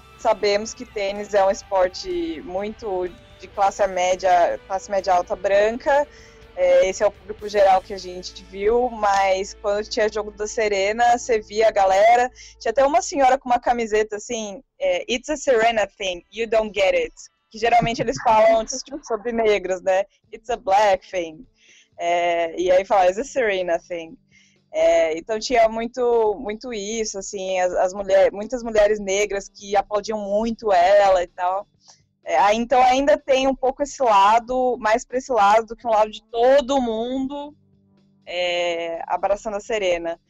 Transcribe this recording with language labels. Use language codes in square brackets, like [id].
[pt] Sabemos que tênis é um esporte muito de classe média alta branca. Esse é o público geral que a gente viu, mas quando tinha jogo da Serena, você via a galera. Tinha até uma senhora com uma camiseta assim, [en] It's a Serena thing, you don't get it. [pt] Que geralmente eles falam sobre negros, né? [en] It's a black thing. [pt] E aí fala, [en] it's a Serena thing. [pt] Então tinha muito isso, assim, as mulheres, muitas mulheres negras que aplaudiam muito ela e tal. Então ainda tem um pouco esse lado, mais pra esse lado do que um lado de todo mundo abraçando a Serena.